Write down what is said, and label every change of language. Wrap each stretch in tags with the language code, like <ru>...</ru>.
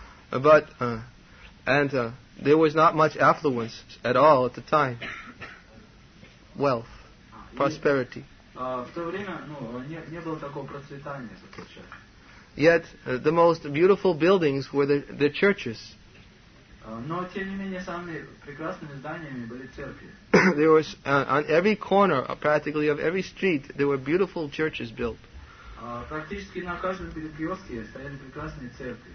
<en>But there was not much affluence at all at the time. Wealth, prosperity. Yet, the most beautiful buildings were the churches.</en> <ru>Но, тем не менее, самыми прекрасными зданиями были церкви.</ru> <en>There was, on every corner, practically of every street, there were beautiful churches built.</en> <ru>Практически на каждом перекрестке стояли прекрасные церкви.</ru>